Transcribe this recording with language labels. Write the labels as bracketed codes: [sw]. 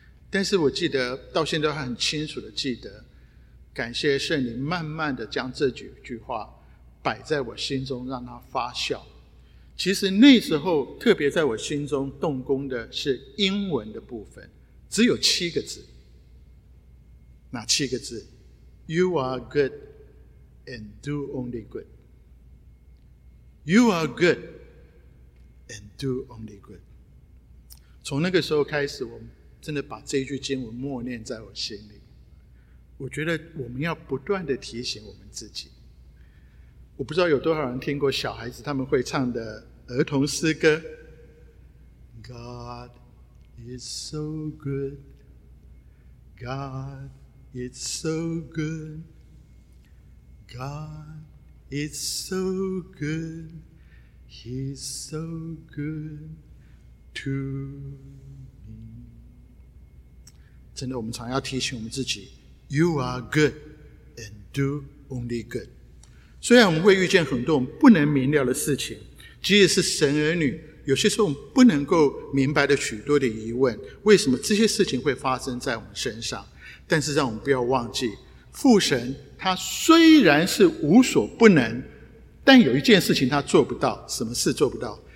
[zh] 但是我记得到现在还很清楚的记得，感谢圣灵慢慢的将这几句话摆在我心中，让它发酵。其实那时候特别在我心中动工的是英文的部分，只有七个字哪七个字？ [en] You are good and do only good. You are good and do only good. [zh] 从那个时候开始，我真的把这句经文默念在我心里。我觉得我们要不断地提醒我们自己。我不知道有多少人听过小孩子他们会唱的儿童诗歌， [en] God is so good, God is so good, God is so good, He's so good to me. [zh] 真的，我们常要提醒我们自己， [en] You are good and do only good. [zh] 虽然我们会遇见很多我们不能明了的事情，即使是神儿女，有些时候我们不能够明白的许多的疑问，为什么这些事情会发生在我们身上，但是让我们不要忘记，父神他虽然是无所不能，但有一件事情他做不到。什么事做不到？